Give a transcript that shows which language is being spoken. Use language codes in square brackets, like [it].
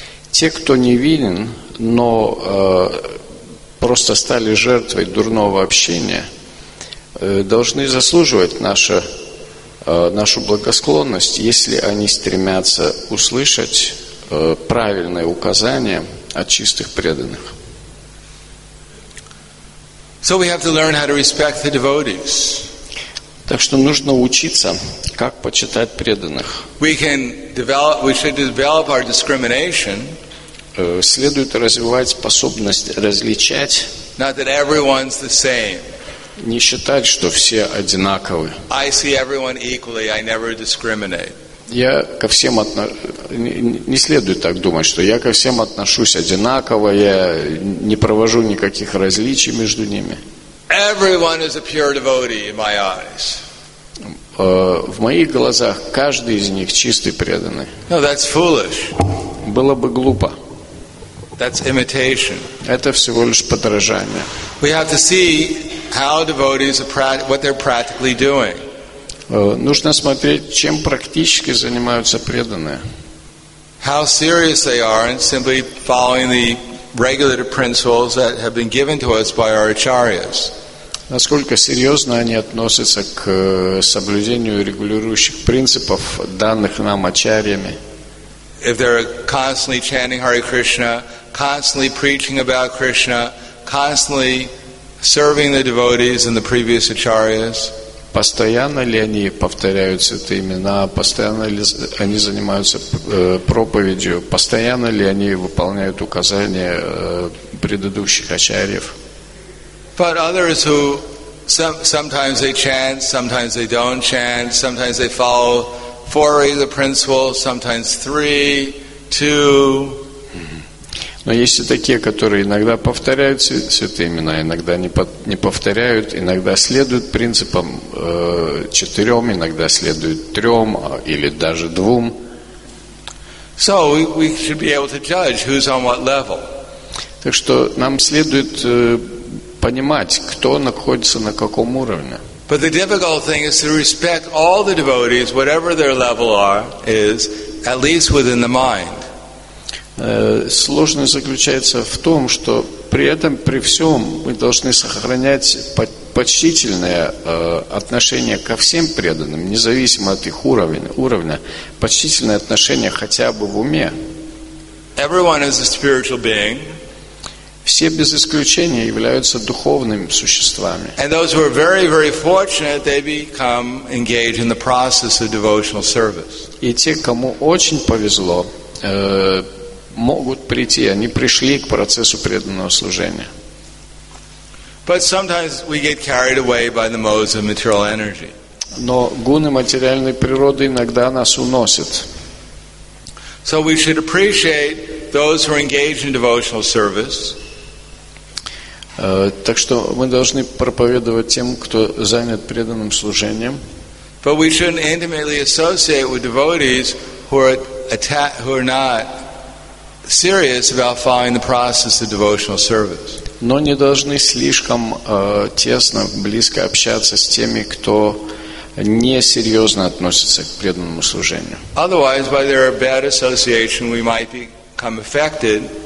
[ru] Те, кто невинен, но просто стали жертвой дурного общения, должны заслуживать нашу благосклонность, если они стремятся услышать правильные указания от чистых преданных. [en] So we have to learn how to respect the devotees. [ru] Так что нужно учиться, как почитать преданных. [en] We should develop our discrimination. [ru] Следует развивать способность различать. [en] Not that everyone's the same. [ru] Не считать, что все одинаковы. [en] I see everyone equally. I never discriminate. [ru] Не следует так думать, что я ко всем отношусь одинаково, я не провожу никаких различий между ними. [en] Everyone is a pure devotee in my eyes. [ru] В моих глазах каждый из них чистый преданный. [en] No, that's foolish. [ru] Было бы глупо. [en] That's imitation. [ru] Это всего лишь подражание. [en] We have to see how devotees are what they're practically doing. [ru] Нужно смотреть, чем практически занимаются преданные. [en] How serious they are in simply following the regulative principles that have been given to us by our acharyas. [ru] Насколько серьезно они относятся к соблюдению регулирующих принципов, данных нам ачарьями. [en] If they're constantly chanting Hare Krishna, constantly preaching about Krishna, constantly serving the devotees and the previous acharyas. [ru] Постоянно ли они повторяют святые имена, постоянно ли они занимаются проповедью, постоянно ли они выполняют указания предыдущих ачарьев. [en] But others who sometimes they chant, sometimes they don't chant, sometimes they follow four regular principles, sometimes three, two. [ru] Но есть и такие, которые иногда повторяют святые имена, иногда не повторяют, иногда следуют принципам четырем, иногда следуют трем или даже двум. [en] So we should be able to judge who's on what level. [ru] Так что нам следует понимать, кто находится на каком уровне. [en] But the difficult thing is to respect all the devotees, whatever their level are, is at least within the mind. [ru] Сложность заключается в том, что при этом, при всем, мы должны сохранять почтительное отношение ко всем преданным, независимо от их уровня, почтительное отношение хотя бы в уме. [en] Everyone is a spiritual being. [ru] Все без исключения являются духовными существами. [en] And those who are very, very fortunate, they become engaged in the process of devotional service. [ru] И те, кому очень повезло, могут прийти, они пришли к процессу преданного служения. [en] But sometimes we get carried away by the modes of material energy. [ru] Но гуны материальной природы иногда нас уносят. [en] So we should appreciate those who are engaged in devotional service. [ru] Так что мы должны проповедовать тем, кто занят преданным служением. [en] But we shouldn't intimately associate with devotees who are not serious about following the process of devotional service. [ru] Но не должны слишком тесно, близко общаться с теми, кто не серьезно относится к преданному служению. [en] Otherwise, by their bad association, we might become affected.